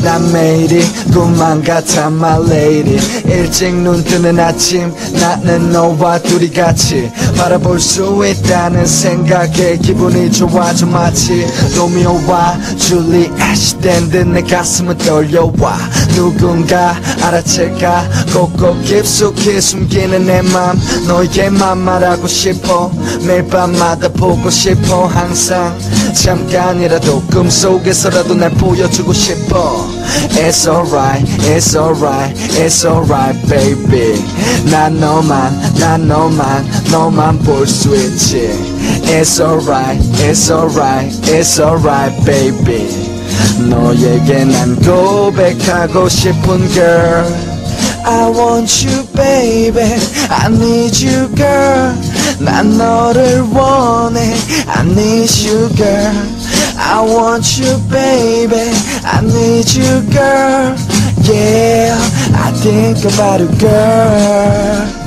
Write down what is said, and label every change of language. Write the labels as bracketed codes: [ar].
[ko] 난 매일이 꿈만 같아 [en] my lady. [ko] 일찍 눈 뜨는 아침 나는 너와 둘이 같이 바라볼 수 있다는 생각에 기분이 좋아져 마치 로미오와 줄리엣 시댄듯 내 가슴은 떨려와. 누군가 알아챌까 꼭꼭 깊숙이 숨기는 내 맘 너에게만 말하고 싶어. 매일 밤마다 보고 싶어 항상. 잠깐이라도 꿈속에서라도 날 보여주고 싶어. [en] It's alright, it's alright, it's alright baby. [ko] 난 너만, 난 너만, 너만 볼 수 있지. [en] It's alright, it's alright, it's alright baby. [ko] 너에게 난 고백하고 싶은 girl. [en] I want you baby, I need you girl. [ko] 난 너를 원해 [en] I need you girl. I want you baby, I need you girl. Yeah, I think about you girl.